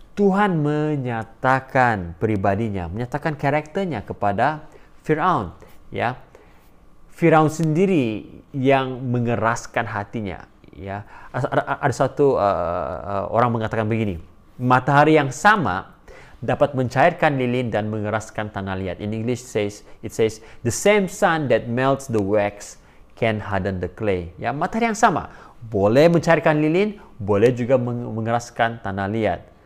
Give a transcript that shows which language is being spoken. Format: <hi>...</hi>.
<id>Tuhan menyatakan pribadinya, menyatakan karakternya kepada Firaun, ya. Firaun sendiri yang mengeraskan hatinya, ya. Ada satu orang mengatakan begini, matahari yang sama dapat mencairkan lilin dan mengeraskan tanah liat.</id> <en>In English it says the same sun that melts the wax can harden the clay.</en> <id>Ya, matahari yang sama boleh mencairkan lilin, boleh juga mengeraskan tanah liat.</id>